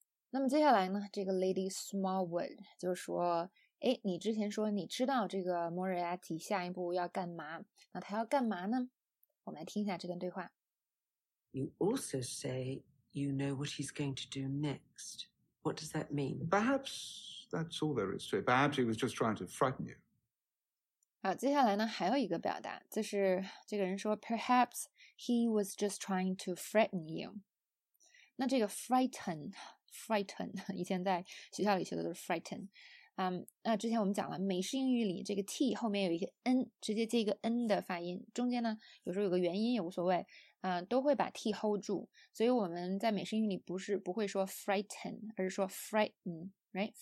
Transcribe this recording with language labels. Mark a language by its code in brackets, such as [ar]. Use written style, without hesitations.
[zh] 那么接下来呢，这个 Lady Smallwood 就说，哎，你之前说你知道这个 Moriarty 下一步要干嘛，那他要干嘛呢？我们来听一下这段对话。 [en] You also say you know what he's going to do next. What does that mean? Perhaps that's all there is to it. Perhaps he was just trying to frighten you. [zh] 好，接下来呢，还有一个表达，就是这个人说 ， [en] Perhaps he was just trying to frighten you. [zh] 那这个 frighten 以前在学校里学的都是 frighten。那之前我们讲了美式英语里这个 t 后面有一个 n， 直接接一个 n 的发音，中间呢有时候有个元音也无所谓，都会把 t hold 住，所以我们在美式英语里不会说 frighten， 而是说 frighten， right？